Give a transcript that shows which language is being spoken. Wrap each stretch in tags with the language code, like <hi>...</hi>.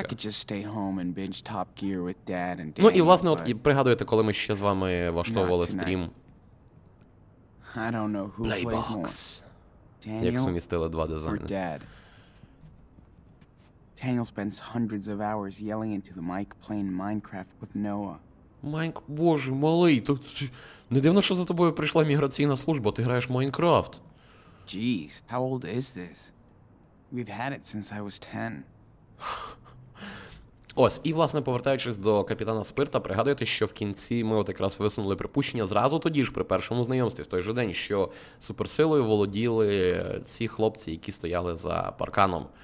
<en>I could just stay home and binge Top Gear with Dad and Daniel.</en> <uk>Ну і власне, от пригадуєте, коли ми ще з вами влаштовували стрім?</uk> <en>I don't know who Playbox. Plays more.</en> <uk>Daniel, як сумістили два дизайни.</uk> <en>Daniel spends hundreds of hours yelling into the mic playing Minecraft with Noah.</en> <uk>Боже, малий, не дивно, що за тобою прийшла міграційна служба, ти граєш Minecraft.</uk> <en>Jeez, how old is this? We've had it since I was 10.</en> <uk>Ось, і власне, повертаючись до Капітана Спирта, пригадуєте, що в кінці ми от якраз висунули припущення зразу тоді ж, при першому знайомстві, в той же день, що суперсилою володіли ці хлопці, які стояли за парканом.</uk>